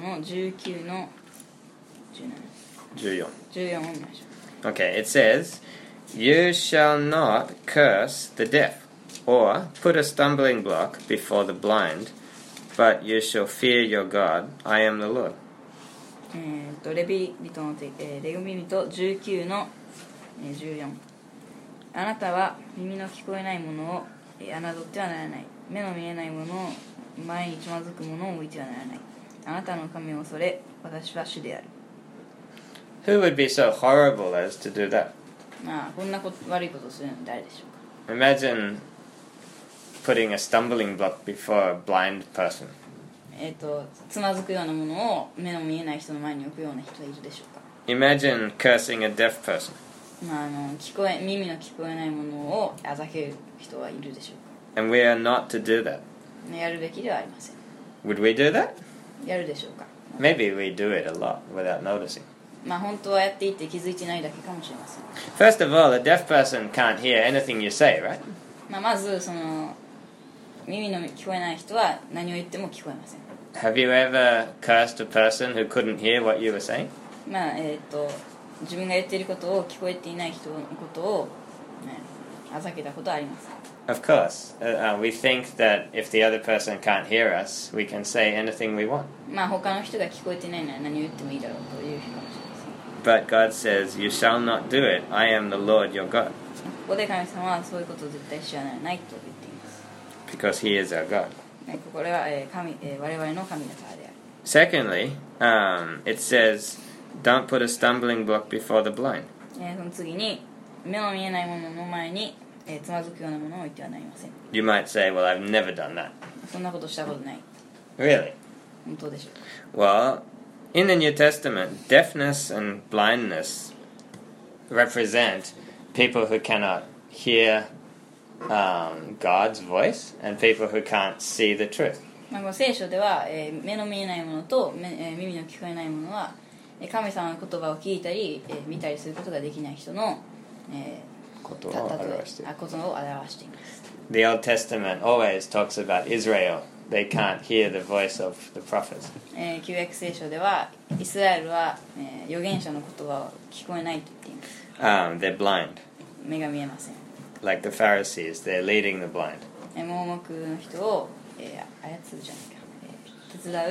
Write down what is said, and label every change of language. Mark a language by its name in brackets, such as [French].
[Japanese] レビ人の19の14を見ましょう。 [English] Okay, it says, You shall not curse the deaf or put a stumbling block before the blind. But you shall fear your God. I am the Lord. [Japanese] レビ人の手紙19の14。あなたは耳の聞こえないものを侮ってはならない。目の見えないものを前につまずくものを置いてはならない。あなたの神を恐れ、私は主である。 [English] Who would be so horrible as to do that? [Japanese] まあ、こんな悪いことをするのは誰でしょうか。 [English] Imagine. Putting a stumbling block before a blind person. [Japanese] つまずくようなものを目の見えない人の前に置くような人はいるでしょうか。 [English] Imagine cursing a deaf person. [Japanese] まあ、耳の聞こえないものをあざける人はいるでしょうか。 [English] And we are not to do that. [Japanese] やるべきではありません。 [English] Would we do that? [Japanese] やるでしょうか。 [English] Maybe we do it a lot without noticing. [Japanese] まあ、本当はやっていて気づいてないだけかもしれません。 [English] First of all, a deaf person can't hear anything you say, right? [Japanese] まあ、まずその耳の聞こえない人は何を言っても聞こえません。 [English] Have you ever cursed a person who couldn't hear what you were saying? [Japanese] まあ、自分が言っていることを聞こえていない人のことを、あざけたことはあります。 [English] Of course. We think that if the other person can't hear us, we can say anything we want. [Japanese] まあ、他の人が聞こえていないなら何を言ってもいいだろうという人かもしれません。 [English] But God says, you shall not do it. I am the Lord your God. [Japanese] ここで神様はそういうことを絶対しちゃならないと言っています。 [English] Because he is our God. [Japanese] これは神、我々の神の様である。 [English] Secondly, it says, don't put a stumbling block before the blind. [Japanese] その次に、目の見えないものの前に、つまずくようなものを置いてはなりません。 [English] You might say, well, I've never done that. [Japanese] そんなことしたことない。 [English] Really? [Japanese] 本当でしょう。 [English] Well, in the New Testament, deafness and blindness represent people who cannot hear. God's voice and people who can't see the truth. [Japanese] 聖書では、目の見えないものと、耳の聞こえないものは、神様の言葉を聞いたり、見たりすることができない人の、ことを表して、ことを表しています。 [English] The Old Testament always talks about Israel. They can't hear the voice of the prophets. [Japanese] 旧約聖書では、イスラエルは、預言者の言葉を聞こえないと言っています。 [English] They're blind. [Japanese] 目が見えません。 [English] Like the Pharisees, they're leading the blind. [Japanese] 盲目の人を、操るじゃないか。